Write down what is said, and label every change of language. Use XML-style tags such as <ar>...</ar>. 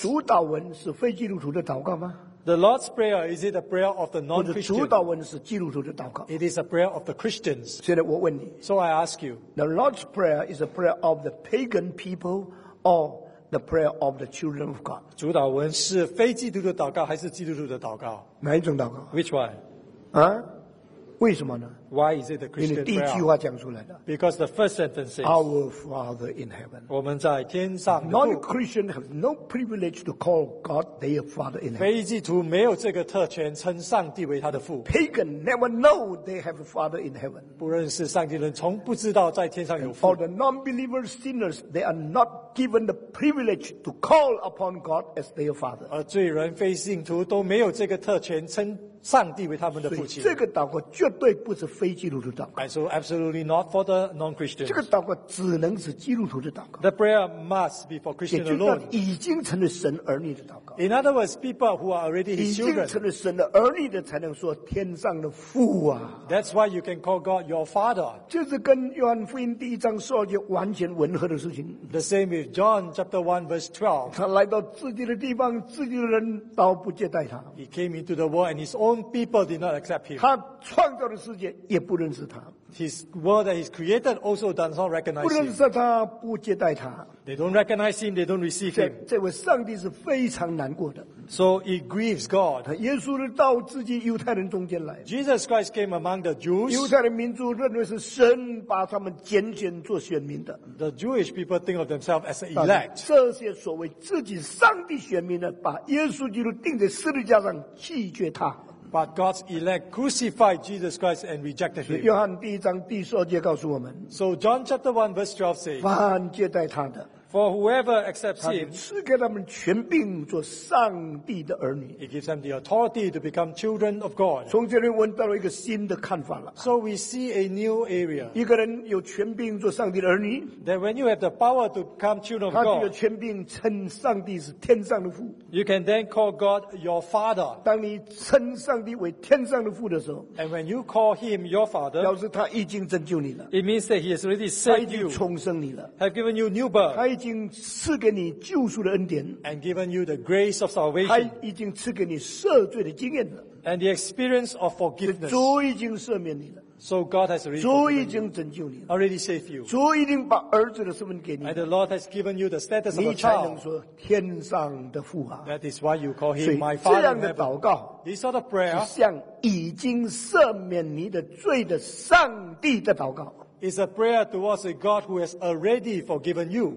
<zh>主祷文是非基督徒的祷告吗？</zh> <en>The Lord's prayer is it a prayer of the non-Christian?</en> <zh>主祷文是基督徒的祷告。</zh> <en>It is a prayer of the Christians.</en> <zh>现在我问你。</zh> <en>So I ask you. The Lord's prayer is a prayer of the pagan people or the prayer of the children of God?</en> <zh>主祷文是非基督徒的祷告还是基督徒的祷告？哪一种祷告？</zh> <en>Which one?</en> <zh>啊？为什么呢？</zh> <en>Why is it the Christian prayer?</en> <zh>因为第一句话讲出来的。</zh> <en>Because the first sentence is Our Father in heaven.</en> <zh>我们在天上。</zh> <en>Non-Christian have no privilege to call God their Father in heaven.</en> <zh>非基督没有这个特权称上帝为他的父。</zh> <en>Pagan never know they have a Father in heaven.</en> <zh>不认识上帝人从不知道在天上有父。</zh> <en>For the non-believer sinners, they are not given the privilege to call upon God as their Father.</en> <zh>而罪人非信徒都没有这个特权称上帝为他们的父亲。所以这个祷告绝对不是非基督徒祷告。</zh> <en>So absolutely not for the non-Christians.</en> <zh>这个祷告只能是基督徒的祷告。</zh> <en>The prayer must be for Christians alone.</en> <zh>也就是已经成了神儿女的祷告。</zh> <en>In other words, people who are already His children.</en> <zh>已经成了神的儿女的才能说天上的父啊。</zh> <en>That's why you can call God your Father.</en> <zh>就是跟约翰福音第一章说的完全吻合的事情。</zh> <en>The same with John chapter 1 verse 12.</en> <zh>他来到自己的地方，自己的人倒不接待他。</zh> <en>He came into the world and his own people did not accept him.</en> <zh>他创造的世界也不认识他。</zh> <en>His world that he's created also does not recognize him.</en> <zh>不认识他，不接待他。</zh> <en>They don't recognize him. They don't receive him.</en> <zh>这位上帝是非常难过的。</zh> <en>So it grieves God.</en> <zh>耶稣到自己犹太人中间来。</zh> <en>Jesus Christ came among the Jews.</en> <zh>犹太人民族认为是神把他们拣选做选民的。</zh> <en>The Jewish people think of themselves as elect.</en> <zh>这些所谓自己上帝选民的，把耶稣基督钉在十字架上，拒绝他。</zh> <en>But God's elect crucified Jesus Christ and rejected him.</en> <zh>约翰第一章第十二节告诉我们。</zh> <en>So John chapter 1 verse 12 says,</en> <zh>凡接待他的。</zh> <en>For whoever accepts him,</en> <zh>他就赐给他们权柄做上帝的儿女。</zh> <en>He gives them the authority to become children of God.</en> <zh>从这里我们到了一个新的看法了。</zh> <en>So we see a new area.</en> <zh>一个人有权柄做上帝的儿女。</zh> <en>That when you have the power to become children of God,</en> <zh>他就有权柄称上帝是天上的父。</zh> <en>You can then call God your father.</en> <zh>当你称上帝为天上的父的时候</zh> <en>，And when you call him your father,</en> <zh>表示他已经拯救你了。</zh> <en>It means that he has already saved you.</en> <zh>他已经重生你了。</zh> <en>Have given you new birth.</en> <zh>他已经赐给你救赎的恩典</zh> <en>and given you the grace of salvation.</en> <zh>他已经赐给你赦罪的经验了</zh> <en>and the experience of forgiveness.</en> <zh>主已经赦免你了</zh> <en>so God has already</en> <zh>主已经拯救你了</zh> <en>already saved you.</en> <zh>主已经把儿子的身份给你了</zh> <en>and the Lord has given you the status of a child.</en> <zh>你才能说天上的父啊</zh> <en>that is why you call him my father.</en> <zh>这样的祷告</zh> <en>this sort of prayer</en> <zh>是向已经赦免你的罪的上帝的祷告。</zh> <en>It's a prayer towards a God who has already forgiven you.</en>